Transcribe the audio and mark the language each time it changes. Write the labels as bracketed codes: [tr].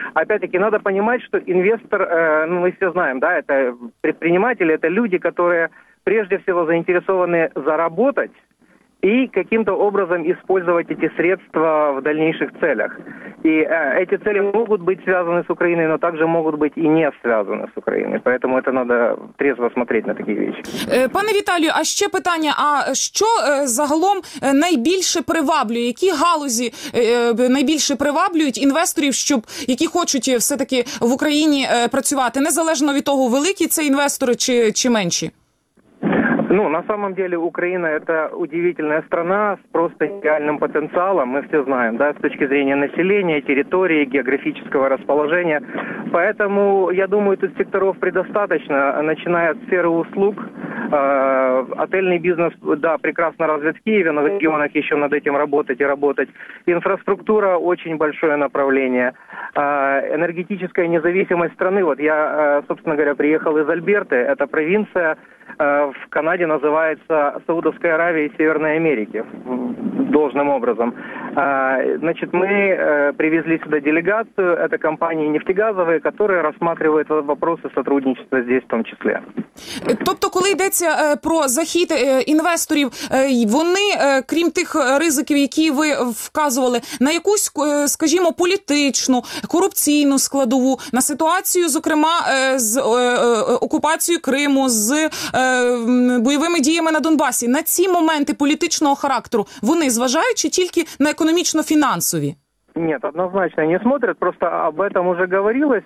[ru] Опять-таки, надо понимать, что инвестор, ну, мы все знаем, да, это предприниматели, это люди, которые прежде всего заинтересованы заработать и каким-то образом использовать эти средства в дальнейших целях. И эти цели могут быть связаны с Украиной, но также могут быть и не связаны с Украиной. Поэтому это надо трезво смотреть на такие вещи. [uk] Пане Віталію, а ще питання, а що загалом найбільше приваблює? Які галузі найбільше приваблюють інвесторів, щоб, які хочуть все-таки в Україні працювати? Незалежно від того, великі це інвестори чи менші? [ru] Ну, на самом деле, Украина – это удивительная страна с просто идеальным потенциалом, мы все знаем, да, с точки зрения населения, территории, географического расположения. Поэтому, я думаю, тут секторов предостаточно, начиная от сферы услуг. Отельный бизнес, да, прекрасно развит в Киеве, но в регионах еще над этим работать и работать. Инфраструктура – очень большое направление. Энергетическая независимость страны. Вот я, собственно говоря, приехал из Альберты, это провинция, в Канаде называется Саудовская Аравия и Северная Америка, должным образом. Значит, мы привезли сюда делегацию, это компании нефтегазовые, которые рассматривают вопросы сотрудничества здесь в том числе. [uk] Тобто, коли йдеться про захід інвесторів, вони, крім тих ризиків, які ви вказували, на якусь, скажімо, політичну, корупційну складову, на ситуацію, зокрема, з окупацією Криму, з бойовими діями на Донбасі, на ці моменти політичного характеру, вони зважають чи тільки на економічно-фінансові? [ru] Нет, однозначно не смотрят. Просто об этом уже говорилось.